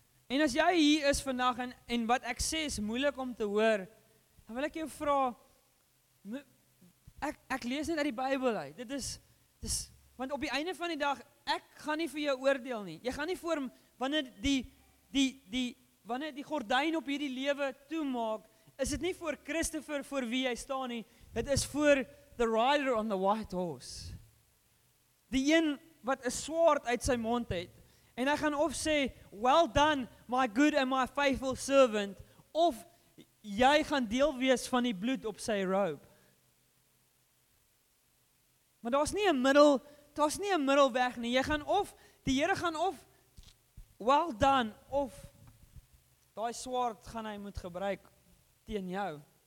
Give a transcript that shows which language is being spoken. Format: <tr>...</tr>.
<af>En as jy hier is vandag en wat ek sê is moeilik om te hoor, dan wil ek jou vra, ek lees net uit die Bybel uit. Dit is, want op die einde van die dag, ek gaan nie vir jou oordeel nie. Jy gaan nie voor, wanneer die gordyn op hierdie lewe toemaak, is dit nie voor Christopher voor wie jy staan nie, dit is voor</af> <en>the rider on the white horse.</en> <af>Die een wat 'n swaard uit sy mond het, en hy gaan of sê,</af> <en>well done, my good and my faithful servant,</en> <af>of jy gaan deel wees van die bloed op sy robe. Maar daar's nie 'n middel weg nie, jy gaan of, die Here gaan of,</af> <en>well done,</en> <af>of daai swaard gaan hy moet gebruik, in jou.</af>